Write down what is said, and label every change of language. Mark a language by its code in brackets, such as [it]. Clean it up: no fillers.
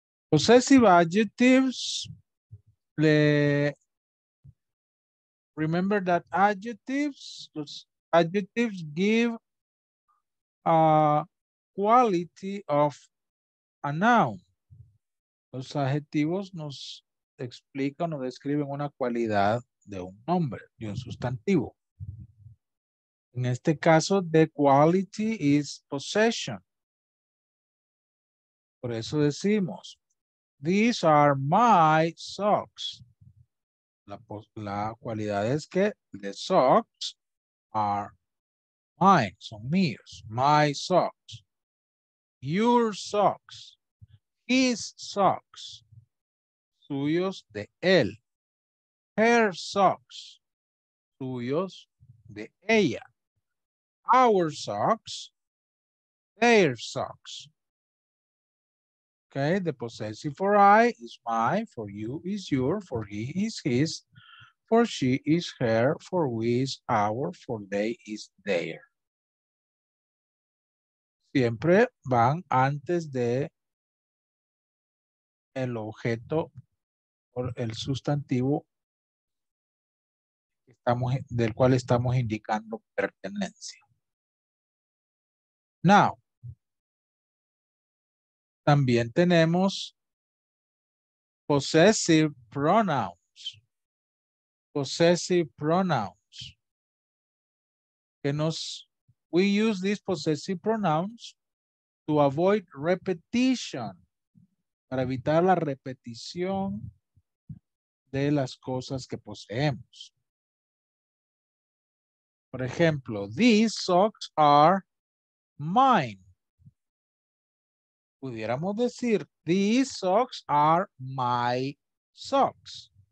[en] Possessive adjectives, remember that adjectives, those adjectives give a quality of a noun. [es] Los adjetivos nos explican o describen una cualidad de un nombre, de un sustantivo. En este caso, [en] the quality is possession. [es] Por eso decimos, [en] these are my socks. [es] La cualidad es que [en] the socks are mine, [es] son míos, [en] my socks. Your socks, his socks, [es] suyos de él. [en] Her socks, [es] suyos de ella. [en] Our socks, their socks. Okay, the possessive for I is my, for you is your, for he is his, for she is her, for we is our, for they is their. [es] Siempre van antes de el objeto o el sustantivo del cual estamos indicando pertenencia. Now, también tenemos possessive pronouns. [en] Possessive pronouns. We use these possessive pronouns to avoid repetition. [es] Para evitar la repetición de las cosas que poseemos. Por ejemplo, [en] these socks are mine. [es] Pudiéramos decir, [en] these socks are my socks.